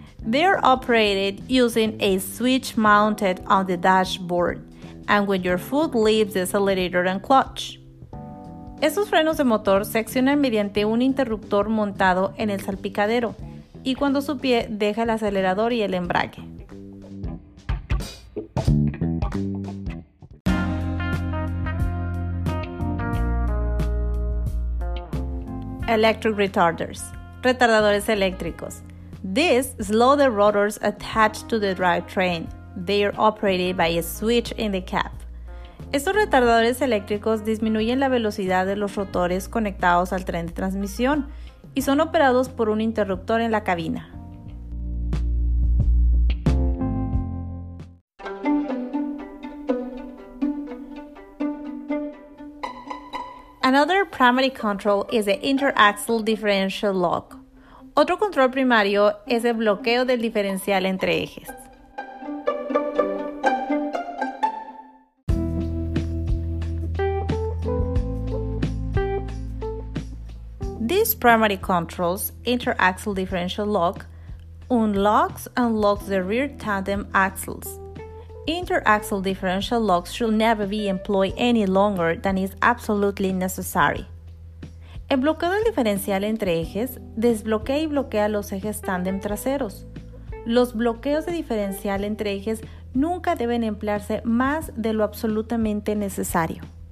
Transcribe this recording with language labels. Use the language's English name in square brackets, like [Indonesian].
[English] They are operated using a switch mounted on the dashboard and when your foot leaves the accelerator and clutch. [Spanish] Estos frenos de motor se accionan mediante un interruptor montado en el salpicadero y cuando su pie deja el acelerador y el embrague. [English] electric retarders, [Spanish] retardadores eléctricos. [English] These slow the rotors attached to the drivetrain. They are operated by a switch in the cab. [Spanish] Estos retardadores eléctricos disminuyen la velocidad de los rotores conectados al tren de transmisión y son operados por un interruptor en la cabina. [English] Another primary control is the interaxle differential lock. [Spanish] Otro control primario es el bloqueo del diferencial entre ejes. [English] These primary controls, interaxle differential lock, unlocks and locks the rear tandem axles. Interaxle differential locks should never be employed any longer than is absolutely necessary. [Spanish] El bloqueo del diferencial entre ejes desbloquea y bloquea los ejes tándem traseros. Los bloqueos de diferencial entre ejes nunca deben emplearse más de lo absolutamente necesario.